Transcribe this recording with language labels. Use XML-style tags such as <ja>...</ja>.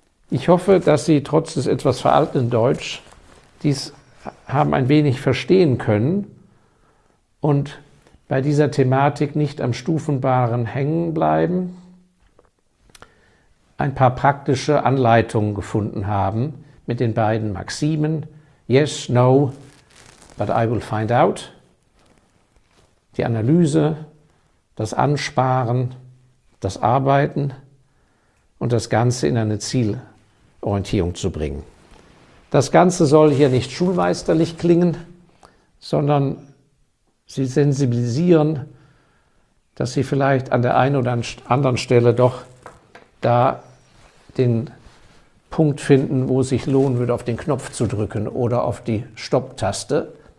<de>Ich hoffe, dass Sie trotz des etwas veralteten Deutsch dies haben ein wenig verstehen können und bei dieser Thematik nicht am Stufenbaren hängen bleiben, ein paar praktische Anleitungen gefunden haben mit den beiden Maximen.</de> <en>Yes, no, but I will find out.</en> <de>Die Analyse, das Ansparen, das Arbeiten und das Ganze in eine Zielorientierung zu bringen. Das Ganze soll hier nicht schulmeisterlich klingen, sondern Sie sensibilisieren, dass Sie vielleicht an der einen oder anderen Stelle doch da den Punkt finden, wo es sich lohnen würde, auf den Knopf zu drücken oder auf die Stopptaste.</de>